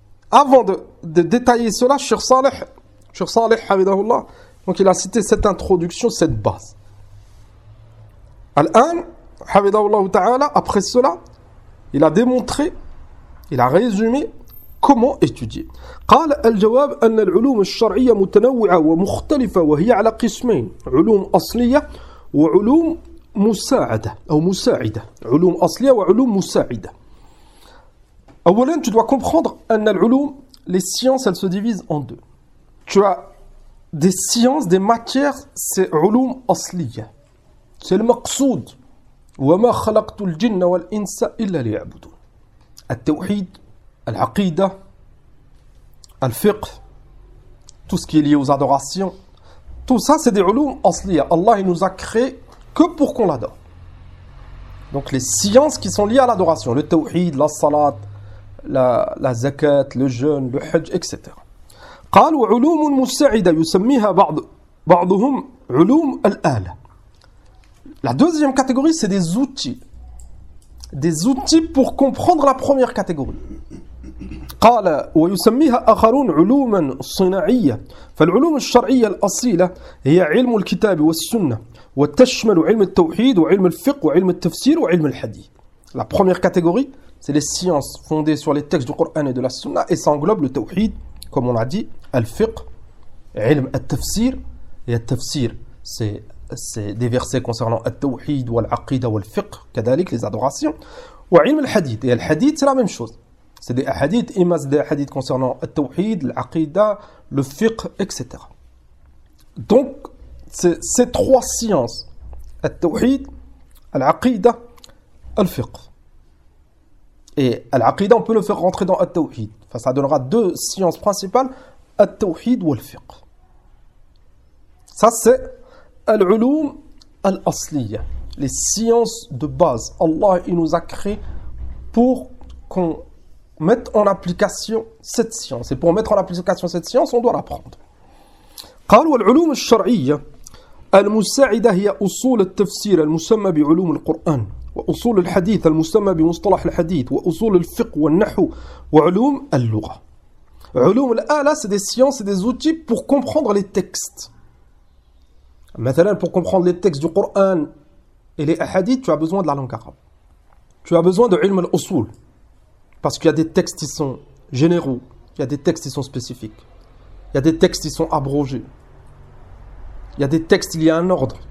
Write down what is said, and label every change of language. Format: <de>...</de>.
<fr>Avant de détailler cela sur Saleh, Hamidahullah, donc il a cité cette introduction, cette base. Al-An, Hamidahullah Ta'ala, après cela, il a démontré, il a résumé comment étudier.</fr> <ar>قال الجواب أن العلوم الشرعية متنوعة ومختلفة وهي على قسمين علوم أصلية وعلوم مساعدة أو مساعدة علوم أصلية وعلوم مساعدة.</ar> <fr>أولا, tu dois comprendre</fr> <ar>أن العلوم,</ar> <fr>les sciences, elles se divisent en deux. Tu as des sciences, des matières, c'est علوم أصلية. C'est le مقصود.</fr> <ar>وما خلقت الجن والإنس إلا ليعبدون.</ar> <fr>التوحيد, العقيدة, Al-fiqh, tout ce qui est lié aux adorations, tout ça c'est des ulum asliya. Allah, il nous a créé que pour qu'on l'adore. Donc les sciences qui sont liées à l'adoration, le tawhid, la salat, la zakat, le jeûne, le hajj, etc.</fr> <ar>قال وعلوم مساعدة يسميها بعضهم علوم الآلة.</ar> <fr>La deuxième catégorie, c'est des outils. Des outils pour comprendre la première catégorie.</fr> <ar>قال ويسميها آخرون علوما صناعية فالعلوم الشرعية الأصيلة هي علم الكتاب والسنة وتشمل علم التوحيد وعلم الفقه وعلم التفسير وعلم الحديث.</ar> <fr>La première catégorie, c'est les sciences fondées sur les textes du Coran et de la Sunna, et ça englobe le tawhid, comme on a dit, al-fiqh, علم التفسير. Et التفسير, c'est des versets concernant</fr> <ar>التوحيد والعقيدة والفقه,</ar> <fr>كذلك les adorations.</fr> <ar>وعلم الحديث,</ar> <fr>et الحديث, c'est la même chose. C'est des hadiths, imas des hadiths concernant le tawhid, l'aqida, le fiqh, etc. Donc, c'est ces trois sciences, le tawhid, l'aqida, le fiqh. Et l'aqida, on peut le faire rentrer dans le tawhid. Enfin, ça donnera deux sciences principales, le tawhid ou le fiqh. Ça, c'est l'uloum al-asliya, les sciences de base. Allah, il nous a créé pour qu'on mettre en application cette science. Et pour mettre en application cette science, on doit l'apprendre.</fr> <ar>قالوا العلوم الشرعية المساعدة هي أصول التفسير المسمى بعلوم القرآن وأصول الحديث المسمى بمصطلح الحديث وأصول الفقه والنحو وعلوم اللغة.</ar> <fr>علوم الآلة, c'est des sciences et des outils pour comprendre les textes. مثلا, pour comprendre les textes du Coran et les hadiths, tu as besoin de la langue arabe. Tu as besoin de علم الأصول. Parce qu'il y a des textes qui sont généraux, il y a des textes qui sont spécifiques, il y a des textes qui sont abrogés, il y a des textes, il y a un ordre.</fr>